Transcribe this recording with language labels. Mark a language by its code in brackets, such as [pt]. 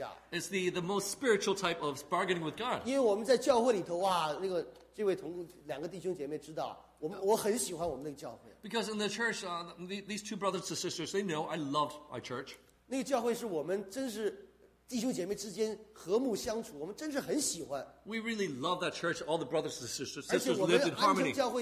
[en] It's the most spiritual type of bargaining with God. [zh] 因为我们在教会里头啊，那个这位同两个弟兄姐妹知道，我很喜欢我们那个教会。 [en] Because in the church, these two brothers and sisters, they know I loved our church. [zh] 那个教会是我们真是。弟兄姐妹之间和睦相处，我们真是很喜欢。 [en] We really love that church. All the brothers and sisters lived in harmony.